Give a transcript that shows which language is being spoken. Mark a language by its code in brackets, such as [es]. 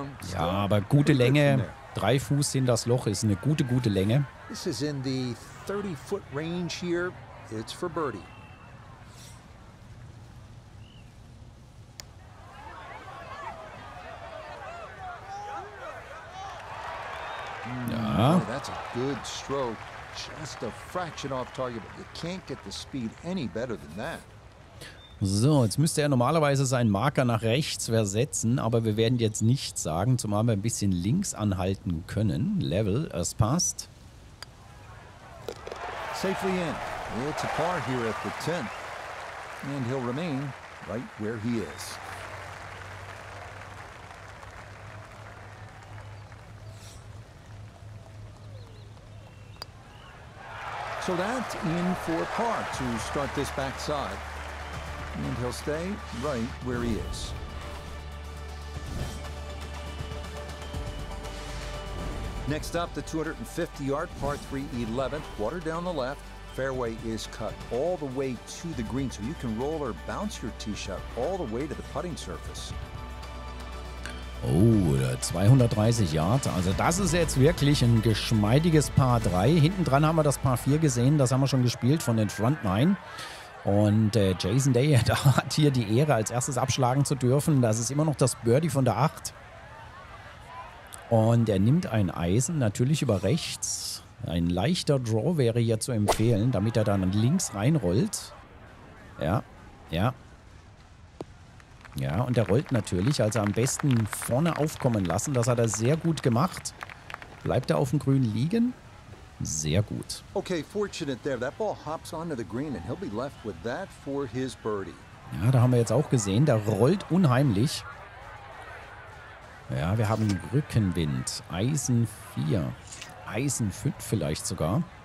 [de] Ja, aber gute Länge. 3 Fuß in das Loch ist eine gute, gute Länge. [en] This is in the 30-foot range here. It's for birdie. [de] Ja. [en] Oh, that's a good stroke. Just a fraction off target, but you can't get the speed any better than that. [de] So, jetzt müsste er normalerweise seinen Marker nach rechts versetzen, aber wir werden jetzt nichts sagen, zumal wir ein bisschen links anhalten können. Level, es passt. [en] Safely in. It's a par here at the 10th. And he'll remain right where he is. So that's in for par to start this backside. And he'll stay right where he is. Next up, the 250-yard par 3, 11th. Water down the left. Fairway is cut all the way to the green. So you can roll or bounce your tee shot all the way to the putting surface. [de] Oder 230 Yards. Also das ist jetzt wirklich ein geschmeidiges Par 3. Hinten dran haben wir das Par 4 gesehen. Das haben wir schon gespielt von den Front 9. Und Jason Day hat hier die Ehre, als erstes abschlagen zu dürfen. Das ist immer noch das Birdie von der 8. Und er nimmt ein Eisen, natürlich über rechts. Ein leichter Draw wäre hier zu empfehlen, damit er dann links reinrollt. Ja, ja. Ja, und er rollt natürlich, also am besten vorne aufkommen lassen. Das hat er sehr gut gemacht. Bleibt er auf dem Grün liegen? Sehr gut. [en] Okay, fortunate there. That ball hops onto the green and he'll be left with that for his birdie. [de] Ja, da haben wir jetzt auch gesehen, der rollt unheimlich. Ja, wir haben Rückenwind. Eisen 4. Eisen 5 vielleicht sogar.